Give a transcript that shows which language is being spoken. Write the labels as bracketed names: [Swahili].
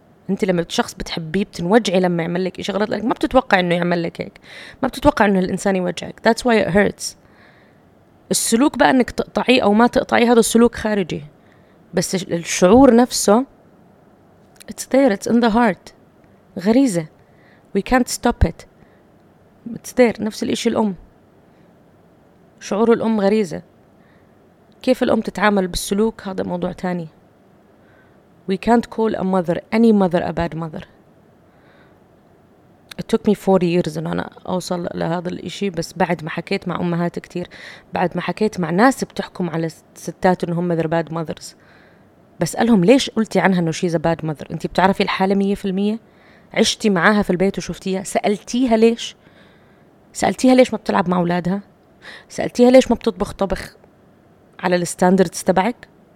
[Arabic] أنت لما شخص بتحبيه بتنوجعي لما يعمل لك إشي غلط لك, ما بتتوقع إنه يعمل لك هيك, ما بتتوقع إنه الإنسان يوجعك. [English] That's why it hurts. [Arabic] السلوك بقى إنك تقطعيه أو ما تقطعيه, هذا السلوك خارجي, بس الشعور نفسه [English] it's there, it's in the heart. غريزة, we can't stop it, it's there. [Arabic] نفس الإشي الأم, شعور الأم غريزة. كيف الأم تتعامل بالسلوك هذا موضوع تاني. [English] We can't call a mother, any mother, a bad mother. It took me 4 years [Arabic] إن أنا أوصل لهذا الإشي, بس بعد ما حكيت مع أمهات كتير, بعد ما حكيت مع ناس بتحكم على ستات إن هم [English] they're bad mothers, [Arabic] بسألهم ليش قلتي عنها إنه [English] she's a bad mother؟ [Arabic] أنتي بتعرفي الحالة 100%؟ عشتي معاها في البيت وشفتيها؟ سألتيها ليش؟ سألتيها ليش ما بتلعب مع أولادها؟ سألتيها ليش ما بتطبخ طبخ على الستاندردز تبعك؟